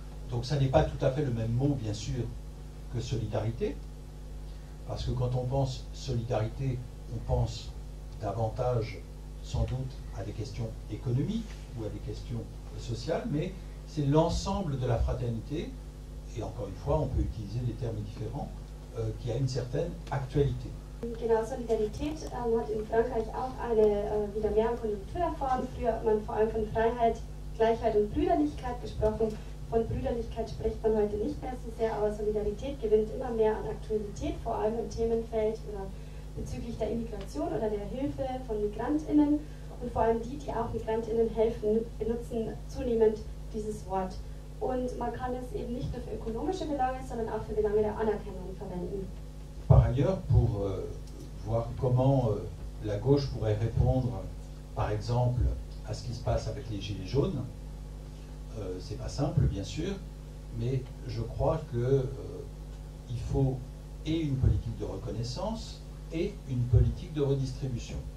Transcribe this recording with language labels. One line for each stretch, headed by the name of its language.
French: Donc ça n'est pas tout à fait le même mot, bien sûr, que solidarité, parce que quand on pense solidarité, on pense davantage, sans doute, à des questions économiques ou à des questions sociales, mais c'est l'ensemble de la fraternité, et encore une fois, on peut utiliser des termes différents, qui a une certaine actualité.
German: Genau, Solidarität hat in Frankreich auch eine wieder mehr Konjunktur erfahren. Früher hat man vor allem von Freiheit, Gleichheit und Brüderlichkeit gesprochen. Von Brüderlichkeit spricht man heute nicht mehr so sehr, aber Solidarität gewinnt immer mehr an Aktualität, vor allem im Themenfeld oder bezüglich der Immigration oder der Hilfe von MigrantInnen. Und vor allem die, die auch MigrantInnen helfen, benutzen zunehmend dieses Wort. Und man kann es eben nicht nur für ökonomische Belange, sondern auch für Belange der Anerkennung verwenden.
French: Par ailleurs, pour voir comment la gauche pourrait répondre, par exemple, à ce qui se passe avec les Gilets jaunes, c'est pas simple, bien sûr, mais je crois qu'il faut et une politique de reconnaissance et une politique de redistribution.